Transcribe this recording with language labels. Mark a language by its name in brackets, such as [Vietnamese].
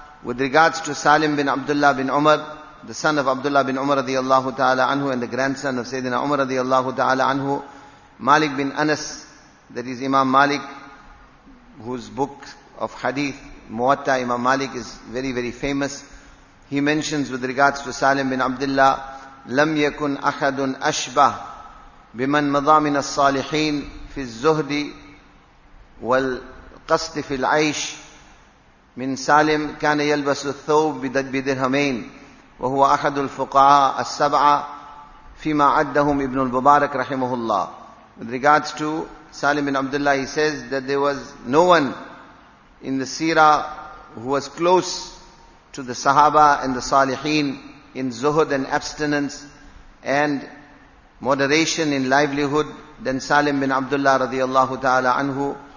[English] With regards to Salim bin Abdullah bin Umar, the son of Abdullah bin Umar radiyallahu ta'ala anhu and the grandson of Sayyidina Umar radiyallahu ta'ala anhu, Malik bin Anas, that is Imam Malik, whose book of hadith, Muwatta, Imam Malik is very, very famous. He mentions with regards to Salim bin Abdullah, [Arabic] لم يكن أحد أشبه بمن مضى من الصالحين في الزهد والقصد في العيش من سالم كان يلبس الثوب بدرهمين وهو أحد الفقهاء السبعة فيما عدهم ابن المبارك رحمه الله. [English] With regards to Salim bin Abdullah, he says that there was no one in the seerah who was close to the sahaba and the saliheen in zuhud and abstinence and moderation in livelihood than Salim bin Abdullah radiyallahu ta'ala anhu.